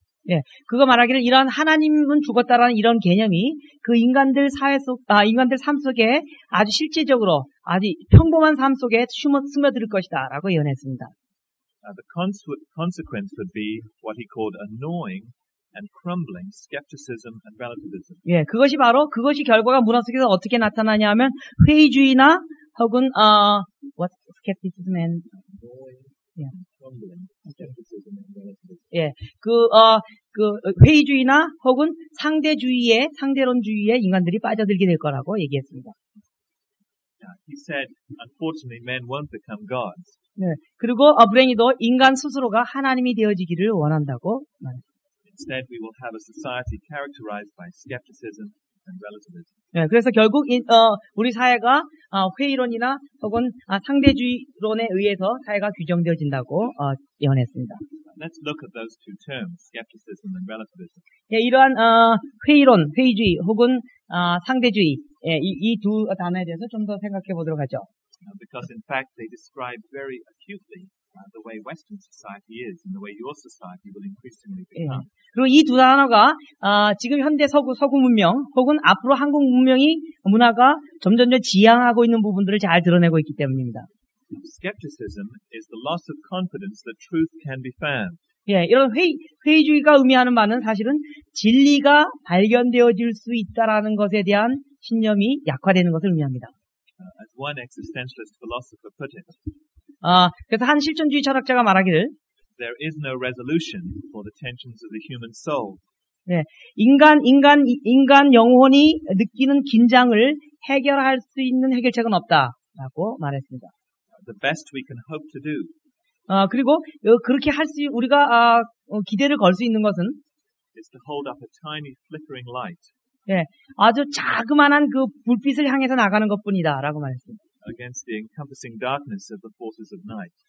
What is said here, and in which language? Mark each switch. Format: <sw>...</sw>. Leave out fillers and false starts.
<ko>예, 그거 말하기를 이런 하나님은 죽었다라는 이런 개념이 그 인간들 사회 속, 인간들 삶 속에 아주 실제적으로 아주 평범한 삶 속에 스며들 것이다라고 예언했습니다.</ko> <en>The consequence would be what he called annoying and crumbling skepticism and relativism.</en> <ko>예, 그것이 바로 그것이 결과가 문화 속에서 어떻게 나타나냐면 회의주의나 혹은</ko> <en>what skepticism and Okay.</en> <ko>예, 그 회의주의나 혹은 상대주의의 상대론주의의 인간들이 빠져들게 될 거라고 얘기했습니다.</ko> <en>He said, unfortunately, men won't become gods.</en> <ko>예, 그리고 불행히도 인간 스스로가 하나님이 되어지기를 원한다고 말했습니다.</ko> <en>Instead, we will have a society characterized by skepticism and relativism.</en> <ko>예, 그래서 결국 우리 사회가 회의론이나 혹은 상대주의론에 의해서 사회가 규정되어진다고 예언했습니다.</ko> <en>Let's look at those two terms, skepticism and relativism.</en> <ko>예, 이러한 회의론, 회의주의 혹은 상대주의 예, 이 두 단어에 대해서 좀 더 생각해 보도록 하죠.</ko> <en>Because in fact they describe very acutely the way Western society is and the way your society will increasingly become. 예.</en> <ko>그리고 이 두 단어가 지금 현대 서구 문명 혹은 앞으로 한국 문명이 문화가 점점 지향하고 있는 부분들을 잘 드러내고 있기 때문입니다.</ko> <en>Skepticism is the loss of confidence that truth can be found.</en> <ko>예, 이런 회의주의가 의미하는 바는 사실은 진리가 발견되어질 수 있다라는 것에 대한 신념이 약화되는 것을 의미합니다.</ko> <en>As one existentialist philosopher put it.</en> <ko>그래서 한 실존주의 철학자가 말하기를</ko> <en>There is no resolution for the tensions of the human soul.</en> <ko>예, 인간 영혼이 느끼는 긴장을 해결할 수 있는 해결책은 없다라고 말했습니다.</ko> <en>The best we can hope to do.</en> <ko>그리고 그렇게 할 수 우리가 기대를 걸 수 있는 것은</ko> <en>is to hold up a tiny flickering light.</en> <ko>예, 아주 자그마한 그 불빛을 향해서 나가는 것뿐이다라고 말했습니다.</ko> <en>Against the encompassing darkness of the forces of night.</en>